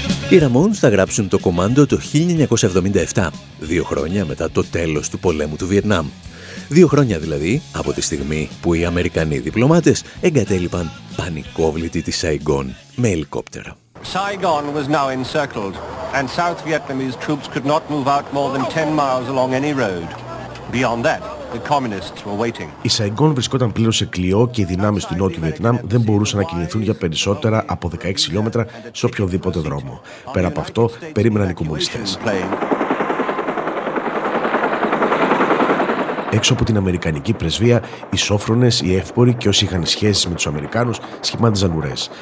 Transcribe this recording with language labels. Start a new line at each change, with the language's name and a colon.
Greek: Οι Ραμόντς θα γράψουν το κομάντο το 1977, 2 χρόνια μετά το τέλος του πολέμου του Βιετνάμ. 2 χρόνια δηλαδή από τη στιγμή που οι Αμερικανοί διπλωμάτες εγκατέλειπαν πανικόβλητη τη Σαϊγκόν με ελικόπτερα.
English: Saigon was now encircled and South Vietnamese troops could not move out more than 10 miles along any road. Beyond that, the communists were waiting.
Greek: Η Σαϊγκόν βρισκόταν πλήρως σε κλειό και οι δυνάμεις του Νότιου Βιετνάμ δεν μπορούσαν να κινηθούν για περισσότερα από 16 χιλιόμετρα σε οποιοδήποτε δρόμο. Πέρα από αυτό, περίμεναν οι κομμουνιστές. Έξω από την Αμερικανική πρεσβεία, οι σόφρονες, οι εύποροι και όσοι είχαν σχέσεις με τους Αμερικάνους σχημάτιζαν ουρές.